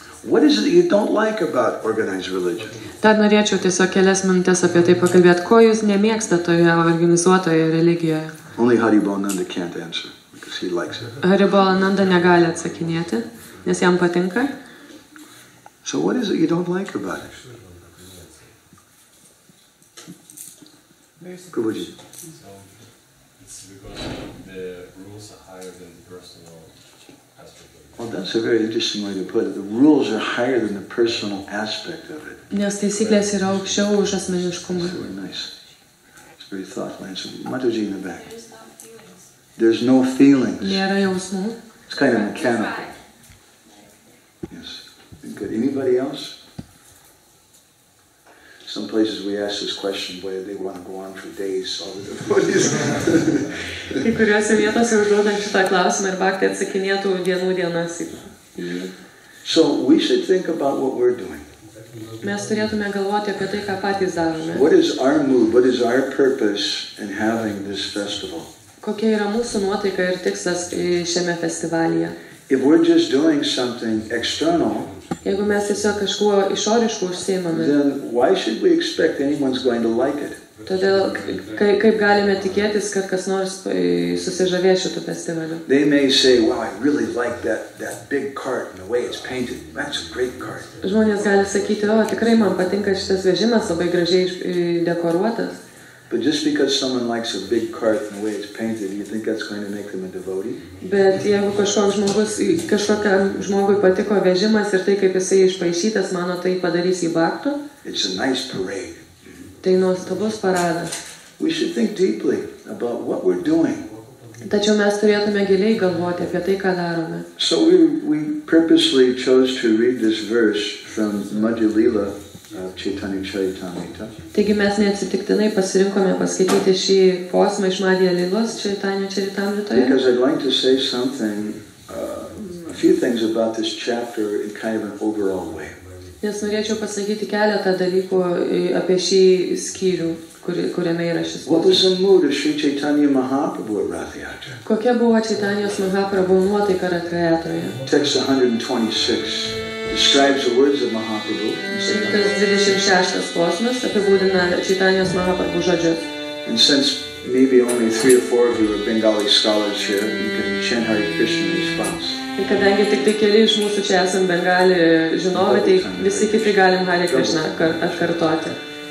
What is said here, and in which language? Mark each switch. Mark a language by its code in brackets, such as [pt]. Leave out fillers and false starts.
[en] What is it that you don't like about organized religion? [lt] Dar norėčiau tiesiog kelias minutės apie tai pakalbėti. Ko jūs nemėgstate toje organizuotoje religijoje? [en] Only Hari Bol Nanda can't answer, because he likes it. [lt] Hari Bol Nanda negali atsakinėti, nes jam patinka. [en] So what is it you don't like about it? Basically, it's because the rules are higher than the personal aspect of it. Well, that's a very interesting way to put it. The rules are higher than the personal aspect of it. [lt] Nes taisyklės yra aukščiau už asmeniškumą. [en] That's very nice. It's very thoughtful answer. Mataji in the back. There's no feelings. [lt] Nėra jausmų. [en] It's kind of mechanical. Yes. Good. Anybody else? Some places we ask this question whether they want to go on for days, all the devotees. [lt] Kai kuriuose vietose užduodant šitą klausimą ir bhakti atsakinėtų dienų dienas. [en] So we should think about what we're doing. [lt] Mes turėtume galvoti apie tai, ką patys darome. [en] What is our mood, what is our purpose in having this festival? [lt] Kokia yra mūsų nuotaika ir tikslas šiame festivalyje? [en] If we're just doing something external, [lt] jeigu mes tiesiog kažkuo išorišku užsiimame, [en] then why should we expect anyone's going to like it? [lt] Todėl kaip galime tikėtis, kad kas nors susižavės šitu festivaliu? [en] They may say, "Wow, I really like that big cart and the way it's painted. That's a great cart." [lt] Žmonės gali sakyti, "O, tikrai man patinka šitas vežimas, labai gražiai dekoruotas." [en] But just because someone likes a big cart and the way it's painted, do you think that's going to make them a devotee? [lt] Bet jeigu kažkokiam žmogui patiko vežimas ir tai, kaip jisai išpaišytas, mano tai padarys jį baktu? [en] It's a nice parade. [lt] Tai nuostabus paradas. [en] We should think deeply about what we're doing. [lt] Tačiau mes turėtume giliai galvoti apie tai, ką darome. [en] So we purposely chose to read this verse from Madhyalila of Chaitanya Charitamrita. [lt] Taigi mes neatsitiktinai pasirinkome paskaityti šį posmą iš Madhyalilos Chaitanya Charitamritoje. [en] Because I'd like to say something, a few things about this chapter in kind of an overall way. [lt] Nes norėčiau pasakyti keletą dalykų apie šį skyrių, kuriame yra šis posmas. Kokia buvo Čaitanijos Mahaprabhu nuotaika Ratrayatroje? [en] Text 126 describes the words of Mahaprabhu. [lt] 126 posmas apibūdina Čaitanijos Mahaprabhu žodžius. [en] And since maybe only 3 or 4 of you are Bengali scholars here, you can chant Hare Krishna in response. [lt] Ir kadangi tik tai keli iš mūsų čia esam Bengali žinovi, tai visi kiti galim Hare Krishna atkartoti.